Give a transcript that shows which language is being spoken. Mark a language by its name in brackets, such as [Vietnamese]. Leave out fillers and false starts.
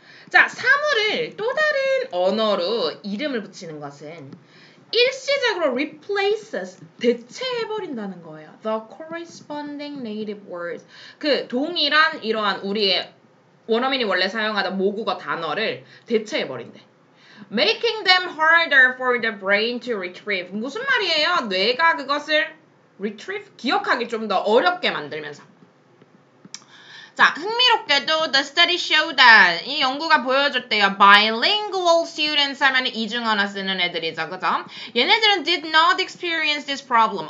[Korean] 자, 사물을 또 다른 언어로 이름을 붙이는 것은 일시적으로 replaces, 대체해버린다는 거예요. [English] The corresponding native words. [Korean] 그 동일한 이러한 우리의 원어민이 원래 사용하던 모국어 단어를 대체해버린대. [English] Making them harder for the brain to retrieve. [Korean] 무슨 말이에요? 뇌가 그것을 retrieve? 기억하기 좀 더 어렵게 만들면서. 자, 흥미롭게도 [English] the study showed that [Korean] 이 연구가 보여줬대요. [English] Bilingual students [Korean] 하면 이중언어 쓰는 애들이죠. 그죠? 얘네들은 [English] did not experience this problem.